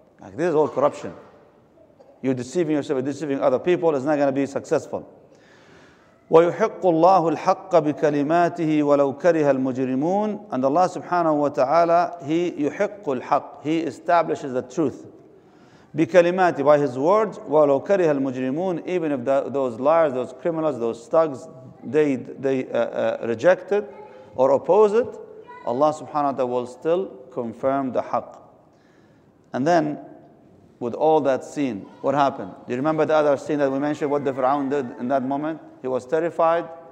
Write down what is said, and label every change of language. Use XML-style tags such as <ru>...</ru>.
<en>Like, this is all corruption. You're deceiving yourself, you're deceiving other people, it's not going to be successful.</en> <ar>وَيُحِقُّ اللَّهُ الْحَقَّ بِكَلِمَاتِهِ وَلَوْ كَرِهَ الْمُجْرِمُونَ.</ar> <en>And Allah subhanahu wa ta'ala, He</en> <ar>يُحِقُّ الْحَقِّ,</ar> <en>He establishes the truth.</en> <ar>بِكَلِمَاتِهِ,</ar> <en>by His words,</en> <ar>وَلَوْ كَرِهَ الْمُجْرِمُونَ.</ar> <en>Even if those liars, those criminals, those thugs, they reject it or oppose it, Allah subhanahu wa ta'ala will still confirm the haqq. And then, with all that scene, what happened? Do you remember the other scene that we mentioned, what the Fir'aun did in that moment? He was terrified.</en>